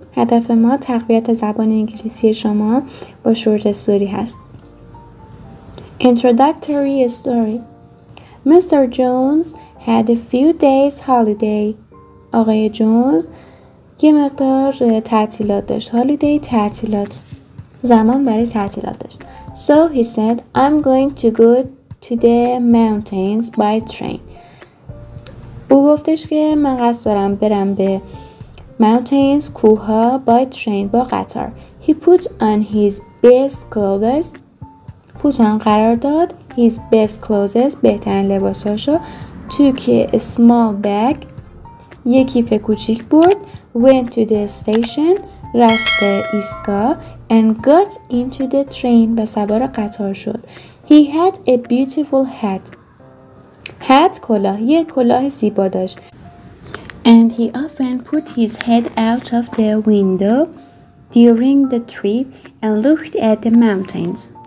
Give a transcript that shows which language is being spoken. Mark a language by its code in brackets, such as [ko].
[fa] هدف ما تقویت زبان انگلیسی شما با شورت استوری هست. [en] Introductory story. Mr. Jones had a few days holiday. [fa] آقای جونز یه مقدار تعطیلات داشت. Holiday تعطیلات. زمان برای تعطیلات داشت. [en] So he said, I'm going to go to the mountains by train. [fa] او گفتش که من قصد دارم برم به [en] mountains [fa] کوها [en] by train [fa] با قطار. [en] He put on his best clothes. [fa] پوتان قرار داد [en] his best clothes [fa] بهترین لباساشو. [en] Took a small bag. [fa] یک کیف کوچیک برد. [en] Went to the station. [fa] رفت به ایستگاه. [en] And got into the train. [fa] به سوار قطار شد. [en] He had a beautiful hat. [fa] هات کلاه، یه کلاه زیبا داشت. [en] And he often put his head out of the window during the trip and looked at the mountains.